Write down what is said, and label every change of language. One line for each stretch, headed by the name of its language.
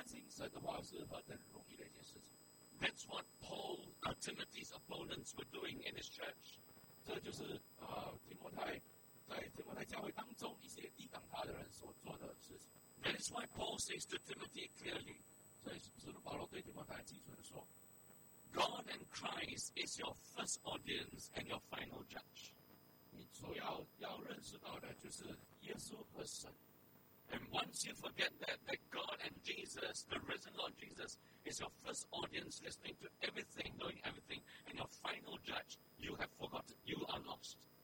Chinese: 那如果我们要过这我们的生活和服事，不再担心神的话，是何等容易的一件事情。
English: That's what Paul, Timothy's opponents were doing in his church.
Chinese: 这就是提摩太在提摩太教会当中一些抵挡他的人所做的事情。
English: That is why Paul says to Timothy clearly.
Chinese: 所以使徒保罗对提摩太基督的说，
English: God and Christ is your first audience and your final judge.
Chinese: 你所要认识到的就是耶稣和神。
English: And once you forget that God and Jesus, the risen Lord Jesus, is your first audience listening to everything, knowing everything, and your final judge, you have forgotten. You are lost.